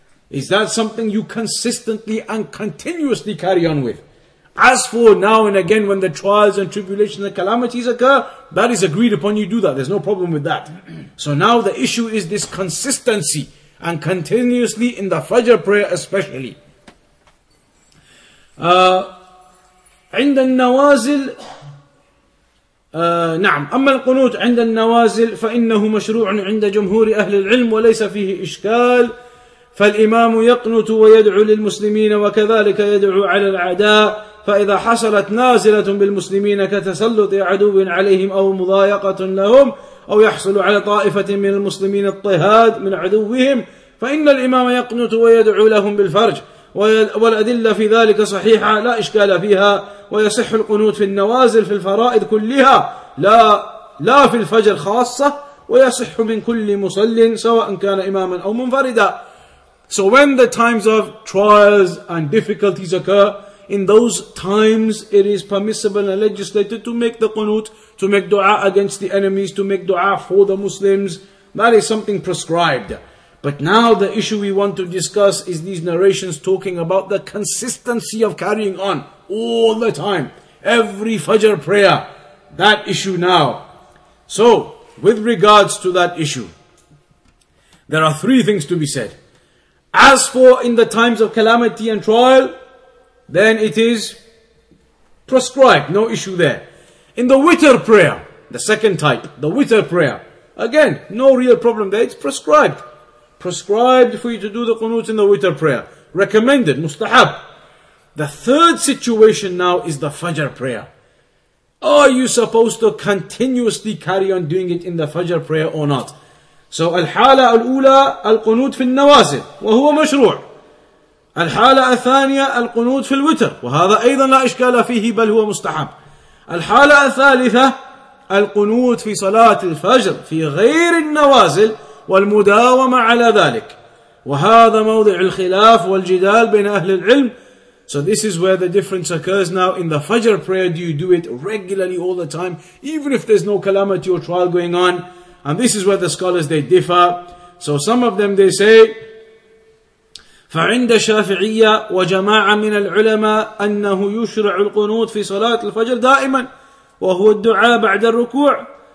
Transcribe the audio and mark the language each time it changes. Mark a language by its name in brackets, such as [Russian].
[English] Is that something you consistently and continuously carry on with? As for now and again when the trials and tribulations and calamities occur, that is agreed upon, you do that. There's no problem with that. So now the issue is this consistency and continuously in the Fajr prayer especially. [Arabic] عند النوازل نعم أما القنوت عند النوازل فإنه مشروع عند جمهور أهل العلم وليس فيه إشكال. فالإمام يقنط ويدعو للمسلمين وكذلك يدعو على الأعداء فإذا حصلت نازلة بالمسلمين كتسلط عدو عليهم أو مضايقة لهم أو يحصل على طائفة من المسلمين اضطهاد من عدوهم فإن الإمام يقنط ويدعو لهم بالفرج والأدلة في ذلك صحيحة لا إشكال فيها ويصح القنوت في النوازل في الفرائض كلها لا في الفجر خاصة ويصح من كل مصل سواء كان إماما أو منفردا. [English] So when the times of trials and difficulties occur, in those times it is permissible and legislated to make the qunut, to make dua against the enemies, to make dua for the Muslims. That is something prescribed. But now the issue we want to discuss is these narrations talking about the consistency of carrying on all the time, every Fajr prayer. That issue now. So, with regards to that issue, there are three things to be said. As for in the times of calamity and trial, then it is prescribed, no issue there. In the witr prayer, the second type, the witr prayer, again, no real problem there, it's prescribed. Prescribed for you to do the qunut in the witr prayer. Recommended, mustahab. The third situation now is the Fajr prayer. Are you supposed to continuously carry on doing it in the Fajr prayer or not? [Arabic] So الحالة الأولى القنوت في النوازل وهو مشروع. الحالة الثانية القنوت في الوتر، وهذا أيضا لا إشكال فيه بل هو مستحب. الحالة الثالثة القنوت في صلاة الفجر في غير النوازل والمداومة على ذلك، وهذا موضع الخلاف والجدال بين أهل العلم. [English] So this is where the difference occurs now. In the Fajr prayer, do you do it regularly all the time, even if there's no calamity or trial going on? And this is where the scholars, they differ. So some of them, they say, [Arabic] فَعِنْدَ شَافِعِيَّةِ وَجَمَاعَ مِنَ الْعُلَمَاءِ أَنَّهُ يُشْرَعُ الْقُنُوتِ فِي صَلَاةِ الْفَجْرِ دَائِمًا وَهُوَ الدُّعَاءَ بَعْدَ الرُّكُوعِ.